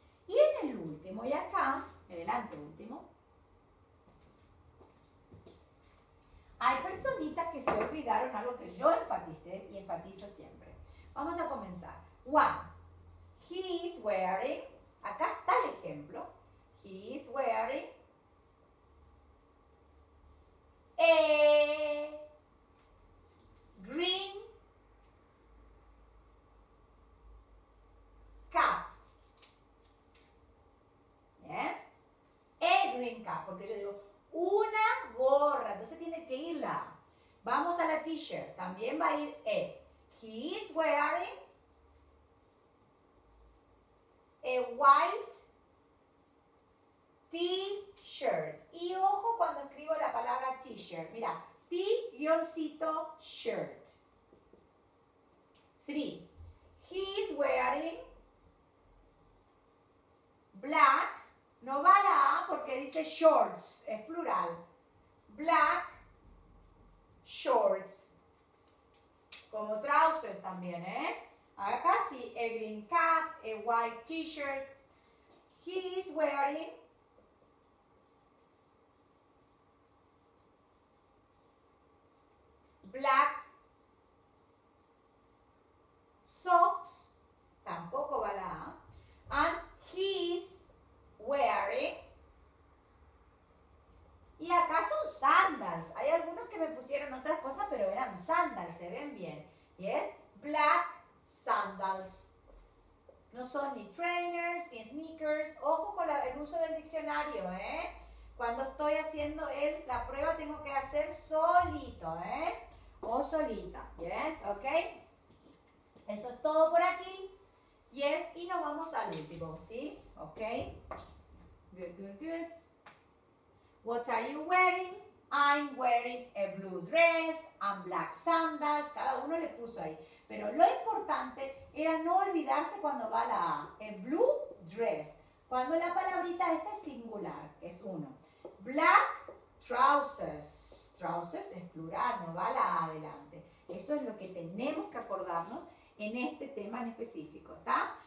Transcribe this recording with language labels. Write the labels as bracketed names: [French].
[Spanish] Y en el último, y acá, en el anteúltimo, hay personitas que se olvidaron algo que yo enfaticé y enfatizo siempre. Vamos a comenzar. One. [English] He is wearing, [Spanish] acá está el ejemplo, [English] he is wearing a green cap. [Spanish] Yes, [English] a green cap, [Spanish] porque yo digo una gorra, entonces tiene que ir la. Vamos a la t-shirt, también va a ir a. [English] He is wearing a white t-shirt. [Spanish] Y ojo cuando escribo la palabra t-shirt. Mira, t-yoncito shirt. 3. [English] He is wearing black. [Spanish] No va la A porque dice shorts. Es plural. [English] Black shorts. [Spanish] Como trousers también, ¿eh? Acá sí, [English] a green cap, a white t-shirt. He is wearing black socks. [Spanish] Tampoco va la A. [English] And he is wearing. [Spanish] Y acá son sandals. Hay algunos que me pusieron otras cosas, pero eran sandals, se ven bien. ¿Yes? [English] Black sandals. [Spanish] No son ni trainers, ni sneakers. Ojo con el uso del diccionario, ¿eh? Cuando estoy haciendo la prueba, tengo que hacer solito, ¿eh? O solita, ¿yes? ¿Ok? Eso es todo por aquí. Yes, y nos vamos al último, ¿sí? [English] ¿Ok? Good, good, good. What are you wearing? I'm wearing a blue dress and black sandals. [Spanish] Cada uno le puso ahí. Pero lo importante era no olvidarse cuando va la A. [English] A blue dress. [Spanish] Cuando la palabrita esta es singular, es uno. [English] Black trousers. [Spanish] Trousers es plural, no va la A adelante. Eso es lo que tenemos que acordarnos en este tema en específico, ¿está?